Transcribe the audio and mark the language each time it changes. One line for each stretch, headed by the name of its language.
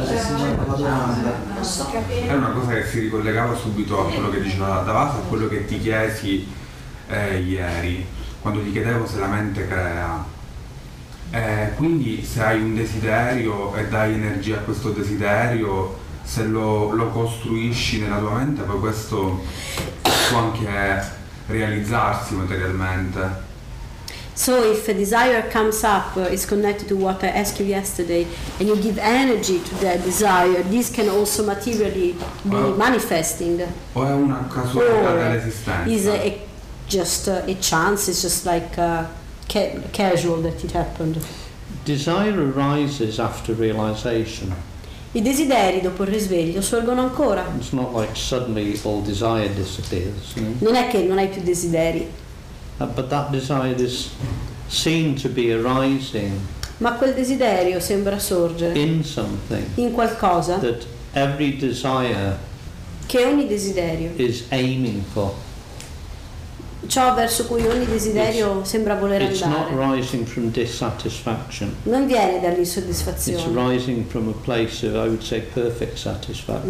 Italian: C'è una cosa che si ricollegava subito a quello che diceva Davasa, a quello che ti chiesi ieri, quando ti chiedevo se la mente crea. Quindi se hai un desiderio e dai energia a questo desiderio, se lo costruisci nella tua mente, poi questo può anche realizzarsi materialmente.
English: So if a desire comes up, it's connected to what I asked you yesterday, and you give energy to that desire, this can also materially be manifesting.
Italian: O è una casualità dell'esistenza.
English: Is just a chance, it's just like casual that it happened. Desire arises after realization.
Italian: I desideri dopo il risveglio sorgono ancora.
English: It's not like suddenly all desire disappears.
Italian: Non è che non hai più desideri.
English: But that desire is seen to be arising.
Italian: Ma quel desiderio sembra sorgere.
English: In something.
Italian: In qualcosa.
English: That every desire.
Italian: Che ogni desiderio.
English: Is aiming for.
Italian: Ciò verso cui ogni desiderio sembra voler andare.
English: It's not rising from dissatisfaction.
Italian: Non viene dall'insoddisfazione.
English: It's rising from a place of, I would say, perfect satisfaction.